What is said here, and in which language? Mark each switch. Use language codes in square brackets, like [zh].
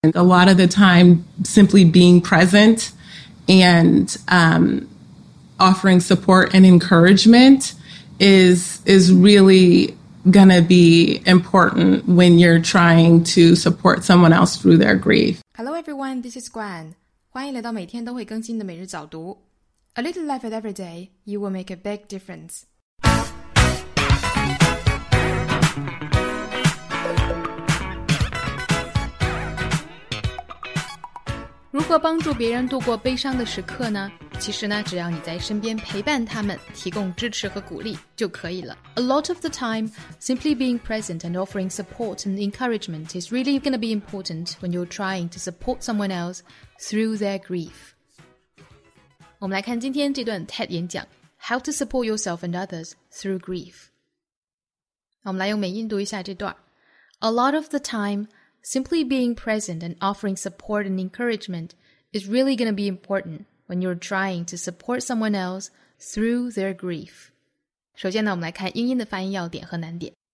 [en] And a lot of the time, simply being present and offering support and encouragement is really going to be important when you're trying to support someone else through their grief. Hello everyone, this is Gwen. [zh] 欢迎来到每天都会更新的每日早读。 [en] A little life at every day, you will make a big difference. [zh] 如何帮助别人度过悲伤的时刻呢？其实呢，只要你在身边陪伴他们，提供支持和鼓励就可以了。 [en] A lot of the time, simply being present and offering support and encouragement is really going to be important when you're trying to support someone else through their grief. [zh] 我们来看今天这段 TED 演讲 [en] How to support yourself and others through grief. [zh] 我们来用美音读一下这段。 [en] A lot of the time,Simply being present and offering support and encouragement is really going to be important when you're trying to support someone else through their grief. [zh] 首先呢，我们来看英音的发音要点和难点。